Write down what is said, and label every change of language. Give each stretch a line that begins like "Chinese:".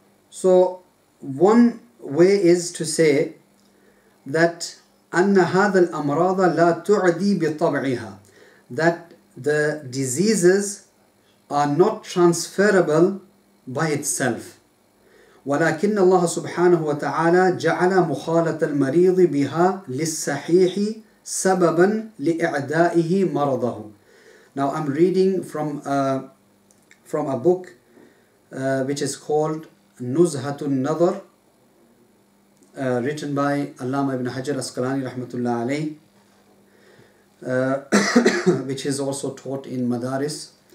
English: So one way is to say that
Arabic: أَنَّ هَذَا الْأَمْرَاضَ لَا تُعْدِي بِطَبْعِهَا,
English: that the diseases are not transferable by itself.
Arabic: ولكن الله سبحانه وتعالى جعل مخالة المريض بها للصحيح سببا لإعدائه مرضه.
English: Now I'm reading from a book which is called نزهة النظر, written by Allama Ibn Hajar Asqalani rahmatullah alayh, which is also taught in Madaris.